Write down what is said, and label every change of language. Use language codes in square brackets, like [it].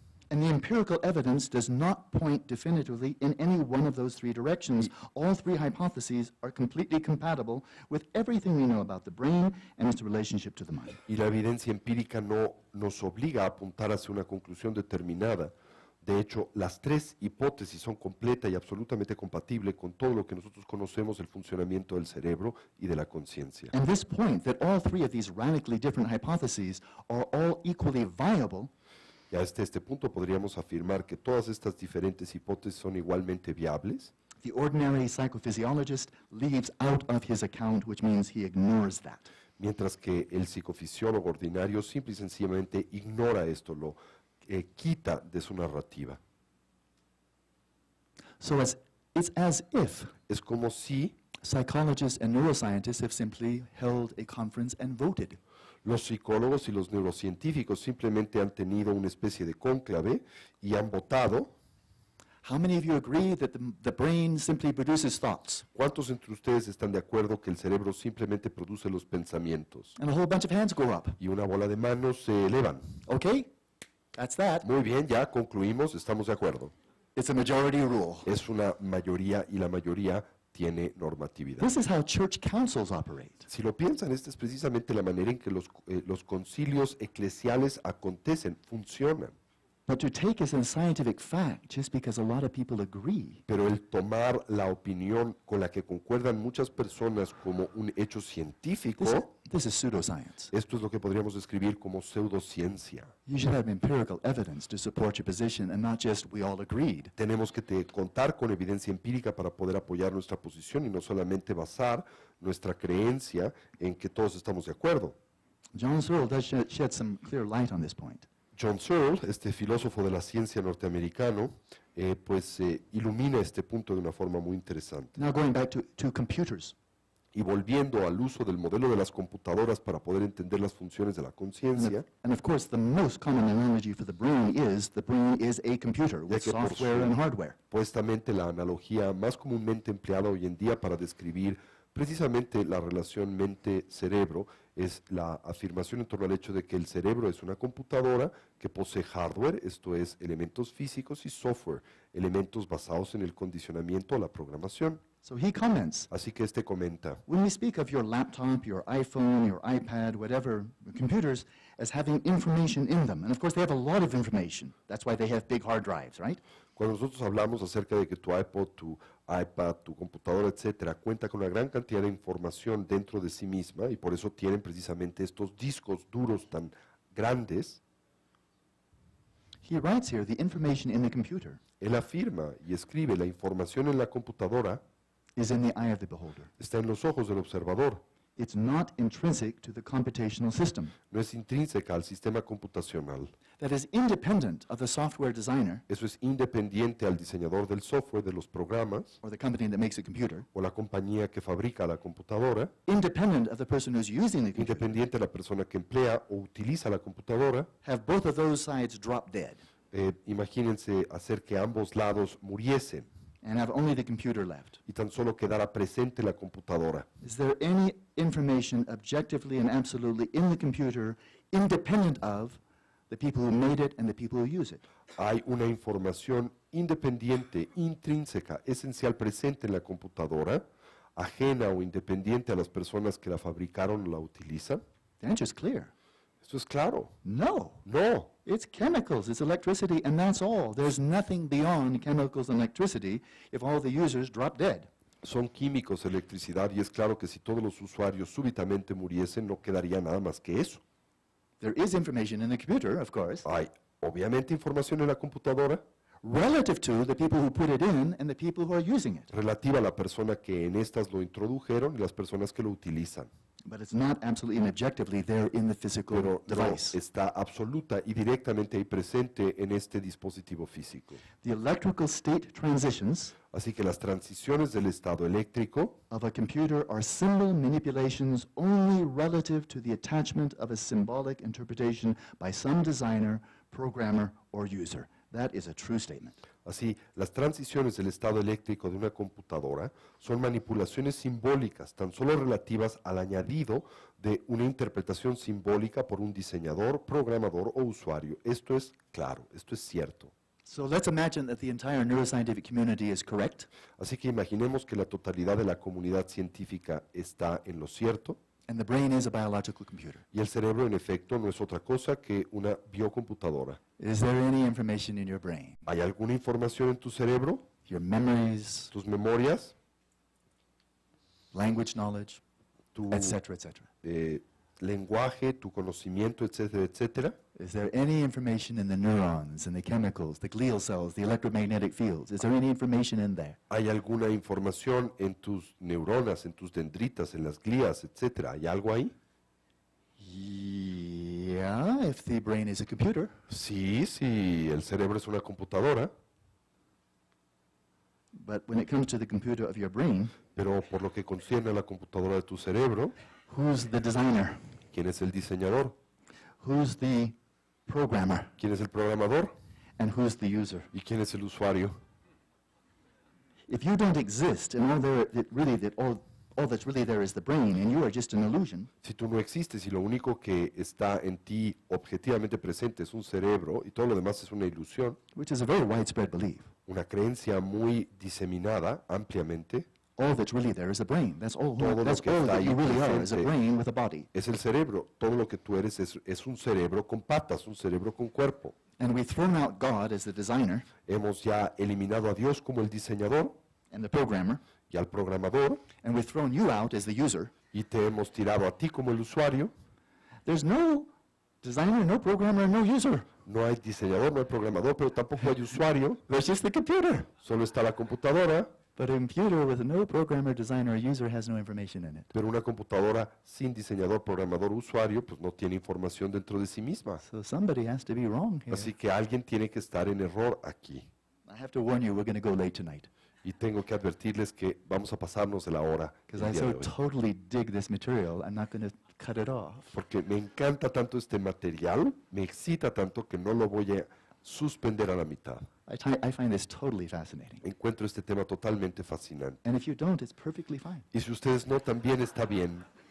[en] And the empirical evidence does not point definitively in any one of those three directions. All three hypotheses are completely compatible with everything we know about the brain and its relationship to the mind. [es] Y la evidencia empírica no nos obliga a apuntar hacia una conclusión determinada. De hecho, las tres hipótesis son completa y absolutamente compatible con todo lo que nosotros conocemos del funcionamiento del cerebro y de la conciencia. [en] And this point that all three of these radically different hypotheses are all equally viable. [es] Y hasta este punto podríamos afirmar que todas estas diferentes hipótesis son igualmente viables. [en] The ordinary psychophysiologist leaves out of his account, which means he ignores that. [es] Mientras que el psicofisiólogo ordinario simple y sencillamente ignora esto, lo quita de su narrativa. [en] So it's as if [es] es como si [en] psychologists and neuroscientists have simply held a conference and voted. [es] Los psicólogos y los neurocientíficos simplemente han tenido una especie de cónclave y han votado. [en] How many of you agree that the brain simply produces thoughts? [es] ¿Cuántos entre ustedes están de acuerdo que el cerebro simplemente produce los pensamientos? [en] And a whole bunch of hands go up. [es] Y una bola de manos se elevan. [en] Okay, that's that. [es] Muy bien, ya concluimos, estamos de acuerdo. [en] It's a majority rule. [es] Es una mayoría y la mayoría tiene normatividad. [en] This is how church councils operate. [es] Si lo piensan, esta es precisamente la manera en que los concilios eclesiales acontecen, funcionan. [en] But to take as a scientific fact, just because a lot of people agree. [es] Pero el tomar la opinión con la que concuerdan muchas personas como un hecho científico. [en] This is pseudoscience. [es] Esto es lo que podríamos describir como pseudociencia. [en] You should have empirical evidence to support your position and not just we all agreed. [es] Tenemos que contar con evidencia empírica para poder apoyar nuestra posición y no solamente basar nuestra creencia en que todos estamos de acuerdo. [en] John Searle does shed some clear light on this point. [es] John Searle, este filósofo de la ciencia norteamericano, ilumina este punto de una forma muy interesante. [en] Now going back to computers. [es] Y volviendo al uso del modelo de las computadoras para poder entender las funciones de la conciencia. [en] And of course, the most common analogy for the brain is a computer with software and hardware. [es] Supuestamente la analogía más comúnmente empleada hoy en día para describir precisamente la relación mente-cerebro es la afirmación en torno al hecho de que el cerebro es una computadora que posee hardware, esto es, elementos físicos y software, elementos basados en el condicionamiento o la programación. [en] So he comments, [es] así que este comenta. [en] When we speak of your laptop, your iPhone, your iPad, whatever, computers, as having information in them, and of course they have a lot of information, that's why they have big hard drives, right? [es] Cuando nosotros hablamos acerca de que tu iPod, tu iPad, tu computadora, etcétera, cuenta con una gran cantidad de información dentro de sí misma y por eso tienen precisamente estos discos duros tan grandes. [en] He writes here, the information in the computer. [es] Él afirma y escribe, la información en la computadora [en] is in the eye of the beholder. [es] Está en los ojos del observador. [en] It's not intrinsic to the computational system. [es] No es intrínseca al sistema computacional. [en] That is independent of the software designer. [es] Eso es independiente al diseñador del software, de los programas. [en] Or the company that makes a computer. [es] O la compañía que fabrica la computadora. [en] Independent of the person who's using the computer. [es] Independiente de la persona que emplea o utiliza la computadora. [en] Have both of those sides drop dead. [es] Imagínense hacer que ambos lados muriesen. [en] And have only the computer left. [es] Y tan solo quedara presente la computadora. [en] Is there any information objectively and absolutely in the computer independent of the people who made it and the people who use it? [es] Hay una información independiente, intrínseca, esencial, presente en la computadora, ajena o independiente a las personas que la fabricaron o la utilizan? [en] The answer is clear. [es] Esto es claro. [en] No. [es] No. [en] It's chemicals, it's electricity, and that's all. There's nothing beyond chemicals and electricity if all the users drop dead. [es] Son químicos, electricidad, y es claro que si todos los usuarios súbitamente muriesen, no quedaría nada más que eso. [en] There is information in the computer, of course. [es] Hay, obviamente, información en la computadora. [en] Relative to the people who put it in and the people who are using it. [es] Relativa a la persona que en estas lo introdujeron y las personas que lo utilizan. [en] But it's not absolutely and objectively there in the physical [es] Pero [en] device. [es] No, está absoluta y directamente ahí presente en este dispositivo físico. [en] The electrical state transitions [es] Así que las transiciones del estado eléctrico [en] of a computer are symbol manipulations only relative to the attachment of a symbolic interpretation by some designer, programmer, or user. That is a true statement. [es] Así, las transiciones del estado eléctrico de una computadora son manipulaciones simbólicas, tan solo relativas al añadido de una interpretación simbólica por un diseñador, programador o usuario. Esto es claro, esto es cierto. [en] So let's imagine that the entire neuroscientific community is correct. [es] Así que imaginemos que la totalidad de la comunidad científica está en lo cierto. [en] And the brain is a biological computer. [es] Y el cerebro, en efecto, no es otra cosa que una biocomputadora. [en] Is there any information in your brain? [es] ¿Hay alguna información en tu cerebro? [en] Your memories. [es] Tus memorias. [en] Language knowledge. [es] Tu, [en] et cetera, et cetera. [es] Lenguaje, tu conocimiento, et cetera, et cetera. [en] Is there any information in the neurons and the chemicals, the glial cells, the electromagnetic fields? Is there any information in there? [es] ¿Hay alguna información en tus neuronas, en tus dendritas, en las glías, et cetera? ¿Hay algo ahí? [en] Yeah, if the brain is a computer. [es] Sí, sí, el cerebro es una computadora. [en] But when it comes to the computer of your brain, [es] pero por lo que concierne a la computadora de tu cerebro, [en] who's the designer? [es] ¿Quién es el diseñador? [en] Who's the programmer? [es] ¿Quién es el programador? [en] And who's the user? [es] ¿Y quién es el usuario? [en] If you don't exist, and all there that really that all that's really there is the brain, and you are just an illusion. [es] Si tú no existes y lo único que está en ti objetivamente presente es un cerebro y todo lo demás es una ilusión. [en] Which is a very widespread belief. [es] Una creencia muy diseminada ampliamente. [en] All that's really there is a brain. That's all. That's all that you really are is a brain with a body. [es] Es el cerebro. Todo lo que tú eres es un cerebro con patas, un cerebro con cuerpo. [en] And we've thrown out God as the designer. [es] Hemos ya eliminado a Dios como el diseñador. [en] And the programmer. [es] Y al programador. [en] And we've thrown you out as the user. [es] Y te hemos tirado a ti como el usuario. [en] There's no designer, no programmer, no user. [es] No hay diseñador, no hay programador, pero tampoco hay usuario. [en] There's just the computer. [es] Solo está la computadora. [en] But a computer with no programmer, designer, or user has no information in it. [es] Pero una computadora sin diseñador, programador, usuario, pues no tiene información dentro de sí misma. [en] So somebody has to be wrong here. [es] Así que alguien tiene que estar en error aquí. [en] I have to warn you, we're going to go late tonight. [es] Y tengo que advertirles que vamos a pasarnos de la hora. [en] Because I so totally dig this material, I'm not going to cut it off. [es] Porque me encanta tanto este material, me excita tanto que no lo voy a suspender a la mitad. [en] I find this totally fascinating. [es] Encuentro este tema totalmente fascinante. [en] And if you don't, it's perfectly fine. [es] Y si ustedes no, también está bien.